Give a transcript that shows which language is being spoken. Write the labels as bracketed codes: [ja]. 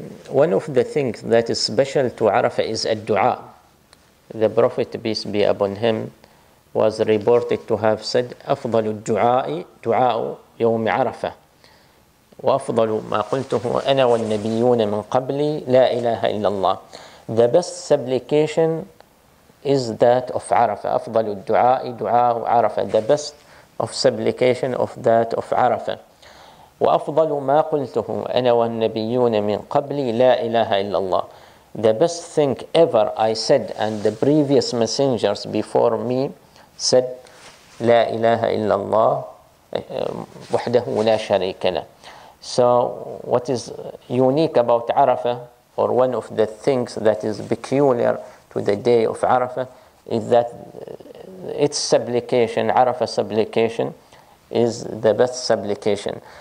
[en] One of the things that is special to Arafah is a dua. The Prophet, peace be upon him, was reported to have said, [ar] أفضل الدعاء دعاء يوم عرفة وأفضل ما قلته أنا والنبيون من قبلي لا إله إلا الله. [en] The best supplication is that of Arafah. [ar] أفضل الدعاء دعاء عرفة. [en] The best of supplication of that of Arafah. [ar] وأفضل ما قلته أنا والنبيون من قبلي لا إله إلا الله. [en] The best thing ever I said and the previous messengers before me said, [ar] لا إله إلا الله وحده لا شريك له. [en] So what is unique about Arafah, or one of the things that is peculiar to the day of Arafah, is that its supplication, Arafah supplication, is the best supplication.